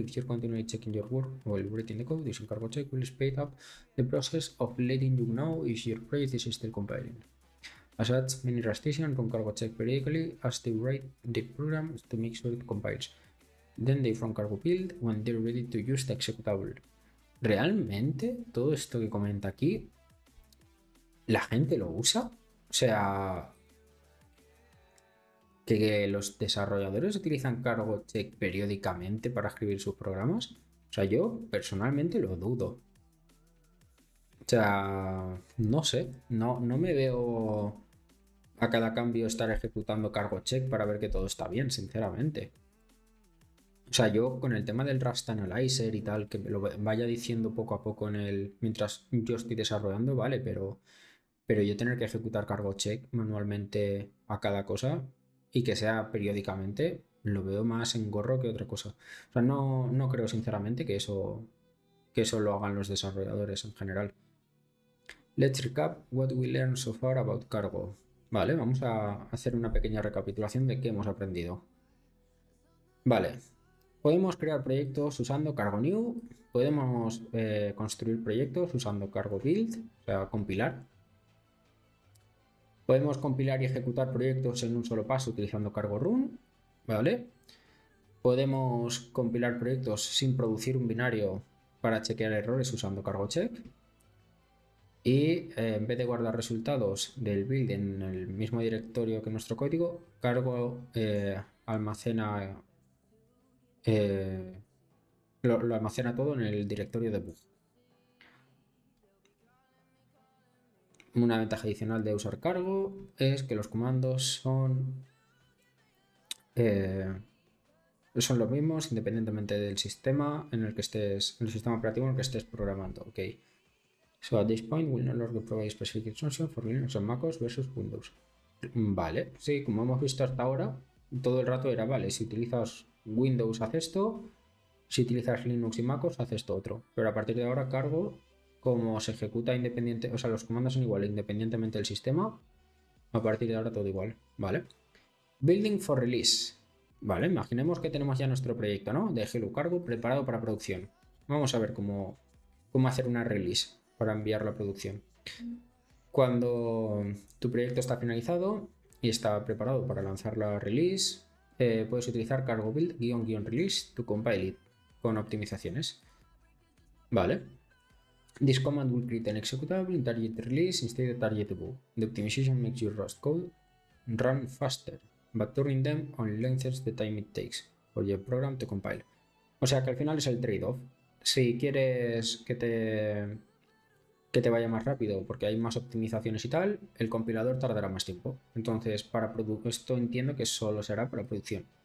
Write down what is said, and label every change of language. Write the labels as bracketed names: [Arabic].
[English] If you're continually checking your work while writing the code, using cargo check will speed up the process of letting you know if your project is still compiling. As such, many Rustician run cargo check periodically as they write the program to make sure it compiles. Then they run cargo build when they're ready to use the executable. [Spanish] ¿Realmente todo esto que comenta aquí la gente lo usa? O sea, que los desarrolladores utilizan cargo check periódicamente para escribir sus programas. O sea, yo personalmente lo dudo. O sea, no sé, no me veo a cada cambio estar ejecutando cargo check para ver que todo está bien, sinceramente. O sea, yo con el tema del Rust Analyzer y tal, que me lo vaya diciendo poco a poco en el mientras yo estoy desarrollando, vale, pero yo tener que ejecutar cargo check manualmente a cada cosa y que sea periódicamente, lo veo más engorro que otra cosa. O sea, no creo sinceramente que eso lo hagan los desarrolladores en general. [English] Let's recap what we learned so far about cargo. [Spanish] Vale, vamos a hacer una pequeña recapitulación de qué hemos aprendido. Vale, podemos crear proyectos usando cargo new, podemos construir proyectos usando cargo build, o sea, compilar. Podemos compilar y ejecutar proyectos en un solo paso utilizando cargo run, ¿vale? Podemos compilar proyectos sin producir un binario para chequear errores usando cargo check. Y en vez de guardar resultados del build en el mismo directorio que nuestro código, cargo almacena lo almacena todo en el directorio de debug. Una ventaja adicional de usar cargo es que los comandos son los mismos independientemente del sistema en el que estés, en el sistema operativo en el que estés programando. [English] Okay. So at this point, we'll no longer provide specific instructions for Linux and Mac OS versus Windows. [Spanish] Vale, sí, como hemos visto hasta ahora, todo el rato era, vale, si utilizas Windows haces esto, si utilizas Linux y Mac OS haces esto otro. Pero a partir de ahora cargo, como se ejecuta independiente, o sea, los comandos son igual independientemente del sistema, a partir de ahora todo igual, ¿vale? Building for release. Vale, imaginemos que tenemos ya nuestro proyecto, ¿no? De Hello Cargo preparado para producción. Vamos a ver cómo hacer una release para enviarlo a producción. Cuando tu proyecto está finalizado y está preparado para lanzar la release, puedes utilizar cargo build-release [English] to compile it [Spanish] con optimizaciones. [English] Vale. This command will create an executable in target release instead of target debug. The optimization makes your Rust code run faster, but turning them on lengthens the time it takes for your program to compile. [Spanish] O sea que al final es el trade-off. Si quieres que te vaya más rápido porque hay más optimizaciones y tal, el compilador tardará más tiempo. Entonces, para esto entiendo que solo será para producción.